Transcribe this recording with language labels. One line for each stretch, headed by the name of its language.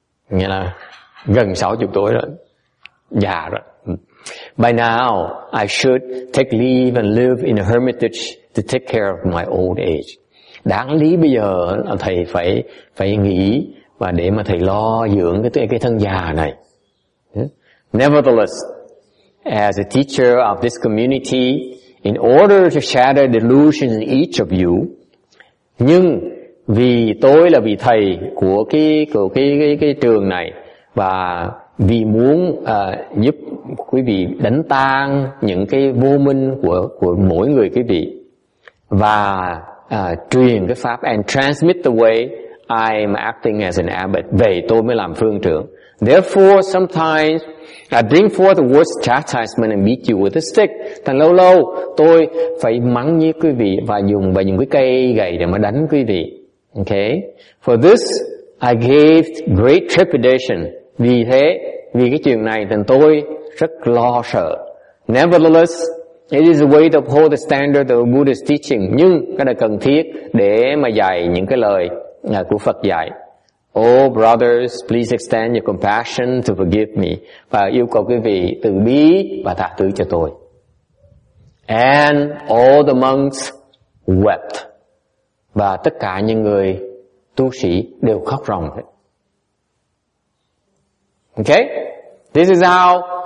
Vietnamese: Nghĩa là gần 60 tuổi rồi, già rồi.
English: By now, I should take leave and live in a hermitage to take care of my old age.
Vietnamese: Đáng lý bây giờ là thầy phải nghỉ và để mà thầy lo dưỡng cái thân già này.
English: Nevertheless, as a teacher of this community, in order to shatter delusion in each of you,
Vietnamese: nhưng vì tôi là vị thầy của cái trường này và vì muốn giúp quý vị đánh tan những cái vô minh của mỗi người quý vị và truyền cái pháp
English: and transmit the way I'm acting as an abbot,
Vietnamese: vậy tôi mới làm phương trưởng.
English: Therefore, sometimes I bring forth the worst chastisement and beat you with a stick.
Vietnamese: Thành lâu lâu tôi phải mắng nhiếc quý vị và dùng vào những cái cây gậy để mà đánh quý vị. Okay.
English: For this, I gave great trepidation.
Vietnamese: Vì thế, vì cái chuyện này, thành tôi rất lo sợ.
English: Nevertheless, it is a way to uphold the standard of Buddhist teaching.
Vietnamese: Nhưng cái này cần thiết để mà dạy những cái lời của Phật dạy.
English: Oh brothers, please extend your compassion to forgive me.
Vietnamese: Và yêu cầu quý vị từ bi và tha thứ cho tôi.
English: And all the monks wept.
Vietnamese: Và tất cả những người tu sĩ đều khóc ròng. Okay?
English: This is how